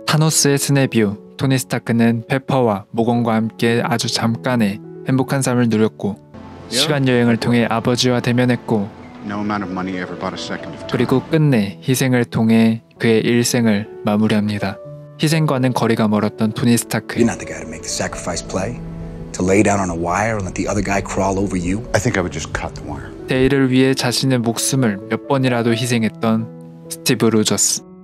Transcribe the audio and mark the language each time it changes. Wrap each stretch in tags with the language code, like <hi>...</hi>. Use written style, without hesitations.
<ko>타노스의 스냅 이후 토니 스타크는 페퍼와 모건과 함께 아주 잠깐의 행복한 삶을 누렸고 시간 여행을 통해 아버지와 대면했고 그리고 끝내 희생을 통해 그의 일생을 마무리합니다. 희생과는 거리가 멀었던 토니 스타크.</ko> <en>You're not the guy to make the sacrifice play? To lay down on a wire and let the other guy crawl over you? I think I would just cut the wire.</en> <ko>데이를 위해 자신의 목숨을 몇 번이라도 희생했던 스티브 로저스.</ko>